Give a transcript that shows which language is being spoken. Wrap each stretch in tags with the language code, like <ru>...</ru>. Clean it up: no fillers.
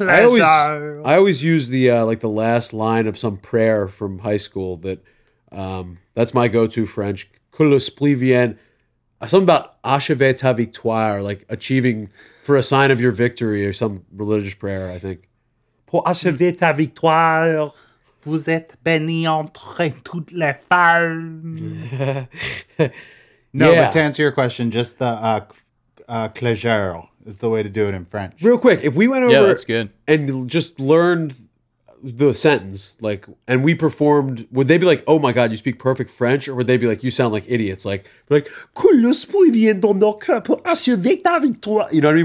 <en>I always use the like the last line of some prayer from high school that that's my go-to French.</en> <fr>Que le esprit vienne.</fr> <en>Something about</en> <fr>achever ta victoire,</fr> <en>like achieving for a sign of your victory or some religious prayer, I think.</en> <fr>Pour achever ta victoire, vous êtes béni entre toutes les femmes.</fr> <en>No, yeah. But to answer your question, just the Clajard is the way to do it in French. Real quick, if we went over that's good. And just learned the sentence, like, and we performed, would they be like, oh my God, you speak perfect French? Or would they be like, you sound like idiots? Like, you know what I mean?</en>